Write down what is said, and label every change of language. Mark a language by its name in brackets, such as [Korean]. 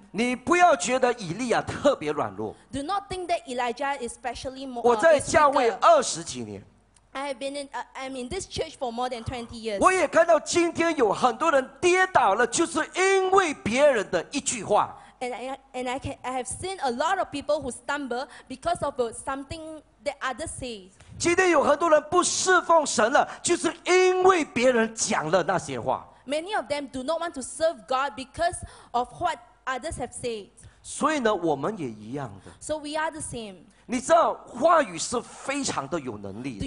[Chinese] 你不要觉得以利亚特别软弱。 [English] Do not think that Elijah is especially more. [Chinese] 我在教会二十几年。 [English] I have been in, I'm in this church for more than 20 years. [Chinese] 我也看到今天有很多人跌倒了，就是因为别人的一句话。 [English] And I have seen a lot of people who stumble because of something that others say. [Chinese] 今天有很多人不侍奉神了，就是因为别人讲了那些话。 [English] Many of them do not want to serve God because of what others have said. [Chinese] 所以呢，我们也一样的。 [English] So we are the same. [Chinese] 你知道话语是非常的有能力的。